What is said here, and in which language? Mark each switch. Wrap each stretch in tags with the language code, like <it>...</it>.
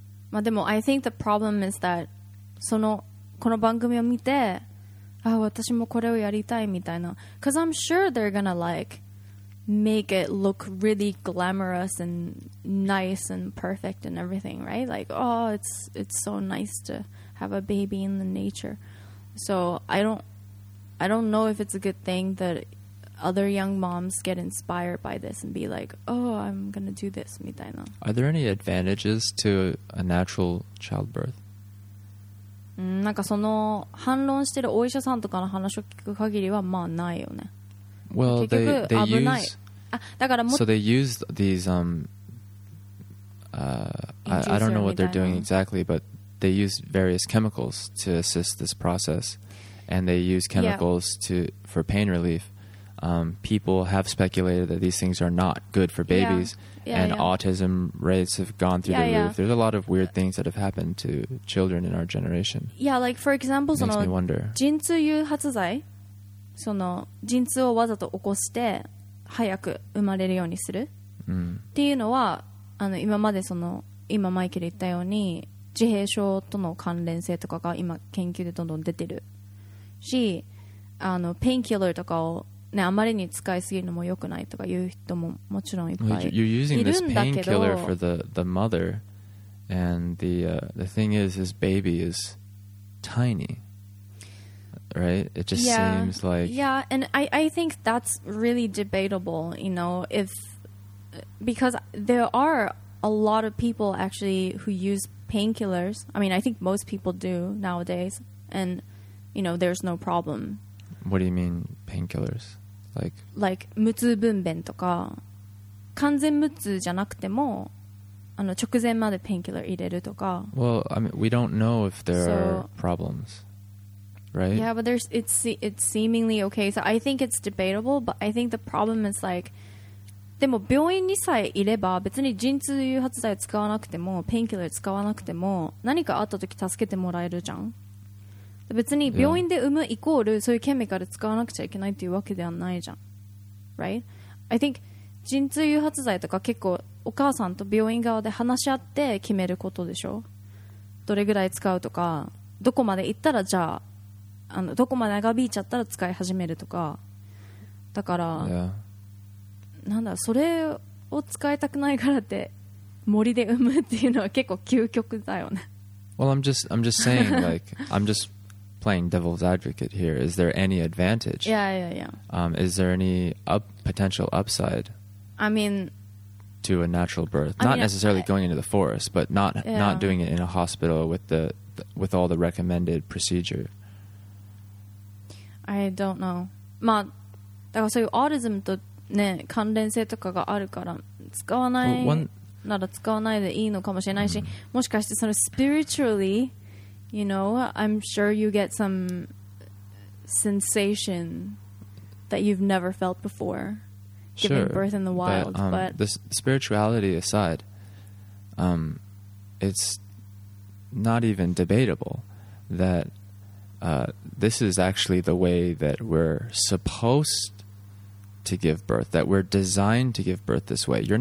<ja>まあ、でも</ja> <en>I think the problem is that</en> <ja>そのこの番組を見てああ私もこれをやりたいみたいな</ja> <en>because I'm sure they're gonna like make it look really glamorous and nice and perfect and everything right like oh it's so nice to have a baby in the nature so I don't know if it's a good thing that other young moms get inspired by this and be like, oh, I'm going to do this.</en> <ja>みたいな。</ja> <en>Are there any advantages to a natural childbirth?</en> <ja>なんかその反論してるお医者さんとかの話を聞く限りはまあないよね。</ja> <en>Well,</en> <ja>結局危ない。</ja> <en>They use,</en> <ja>だから</ja> <en>も。So they use these I don't know what they're doing exactly, but they use various chemicals to assist this process, and they use chemicals for pain relief. People have speculated that these things are not good for babies, autism rates have gone through the roof. There's a lot of weird things that have happened to children in our generation. Yeah, like for example,</en> <ja>その陣痛誘発剤、その陣痛をわざと起こして早く生まれるようにする、っていうのは、あの今までその今マイケル言ったように自閉症との関連性とかが今研究でどんどん出てるし、あのペインキラーとかをね、あまりに使いすぎるのも良くないとかいう人ももちろんいっぱいいるんだけど、</ja> <en>You're using this painkiller for the mother, and the thing is, his baby is tiny, right? It just seems like and I think that's really debatable, you know, if because there are a lot of people actually who use painkillers. I mean, I think most people do nowadays, and you know, there's no problem. What do you mean painkillers?</en> <ja>Like 無痛分娩とか完全無痛じゃなくてもあの直前までペインキラー入れるとか。</ja> <en>Well, I mean, we don't know if there are problems, right? Yeah, but it's seemingly okay. So I think it's debatable, but I think the problem is like,</en> <ja>でも病院にさえいれば別に陣痛誘発剤使わなくてもペインキラー使わなくても何かあった時助けてもらえるじゃん。別に病院で産むイコールそういうケミカル使わなくちゃいけないっていうわけではないじゃん、right?</ja> <en>I think</en> <ja>陣痛誘発剤とか結構お母さんと病院側で話し合って決めることでしょ。どれぐらい使うとか、どこまで行ったらじゃあ、あのどこまで長引いちゃったら使い始めるとか。だから、なんだ、それを使いたくないからって森で産むっていうのは結構究極だよね。</ja> <en>Well, I'm just saying, like, I'm justplaying devil's advocate here. Is there any advantage? Is there any potential upside? I mean, to a natural birth, necessarily going into the forest, but not doing it in a hospital with all the recommended procedure. I don't know.</en> <ja>まあ、だからそういうオーティズムとね、関連性とかがあるから使わないなら使わないでいいのかもしれないし、もしかしてそのspiritually。</ja> <en>You know, I'm sure you get some sensation that you've never felt before, giving birth in the wild. But the spirituality aside, it's not even debatable that this is actually the way that we're supposed to give birth, that we're designed to give birth this way.</en>